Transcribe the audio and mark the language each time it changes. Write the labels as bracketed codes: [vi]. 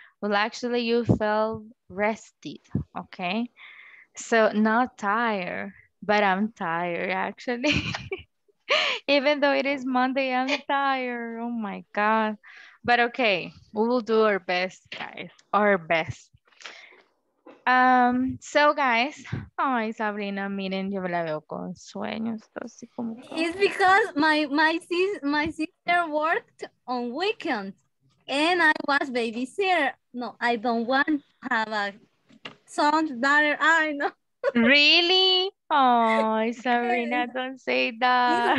[en] Well, actually, you feel rested, okay? So not tired, but I'm tired, actually. Even though it is Monday, I'm tired. Oh, my God. But okay, we will do our best, guys, our best. So guys, [es] Sabrina, miren, yo la veo con sueños. Así como... [en] It's because my sister worked on weekends and I was babysitter. No, I don't want to have a son, daughter, I know. Really? Oh, Sabrina, don't say that.